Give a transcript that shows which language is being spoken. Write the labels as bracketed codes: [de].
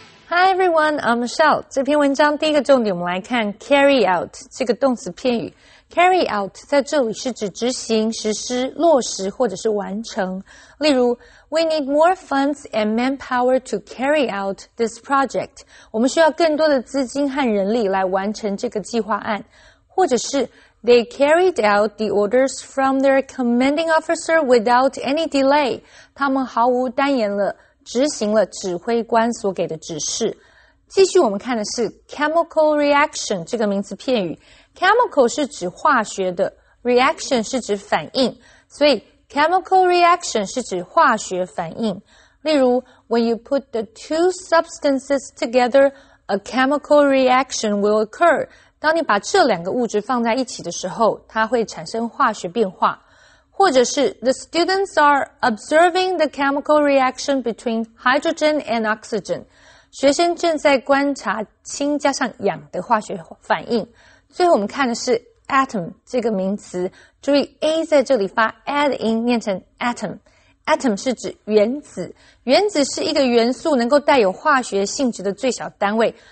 [en] Hi everyone, I'm Michelle. [zh] 这篇文章第一个重点我们来看 carry out 这个动词片语。 Carry out 在这里是指执行、实施、落实或者是完成。例如 [en] ,We need more funds and manpower to carry out this project. [zh] 我们需要更多的资金和人力来完成这个计划案。或者是 [en] ,They carried out the orders from their commanding officer without any delay. [zh] 他们毫无耽延了。执行了指挥官所给的指示。继续我们看的是 chemical reaction 这个名词片语。 chemical 是指化学的 ,reaction 是指反应。所以 chemical reaction 是指化学反应。例如 [en] ,when you put the two substances together, a chemical reaction will occur. [zh] 当你把这两个物质放在一起的时候它会产生化学变化。或者是 [en] ,the students are observing the chemical reaction between hydrogen and oxygen. [zh] 学生正在观察氢加上氧的化学反应。最后我们看的是 atom 这个名词。注意 A 在这里发 add 音念成 atom。 atom 是指原子。原子是一个元素能够带有化学性质的最小单位。